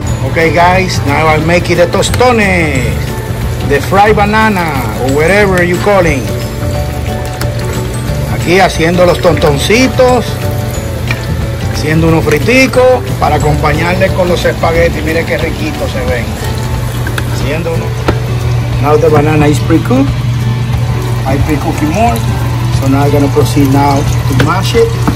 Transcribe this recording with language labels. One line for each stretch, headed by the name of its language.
English: Okay guys, now I'm making the tostones, the fried banana, or whatever you call it.
Spanish: Aquí haciendo los tontoncitos, haciendo unos friticos para acompañarle con los espaguetis. Mire qué riquitos se ven. Haciendo uno.
English: Now the banana is pre-cooked. I pre-cook it more. So now I'm going to proceed now to mash it.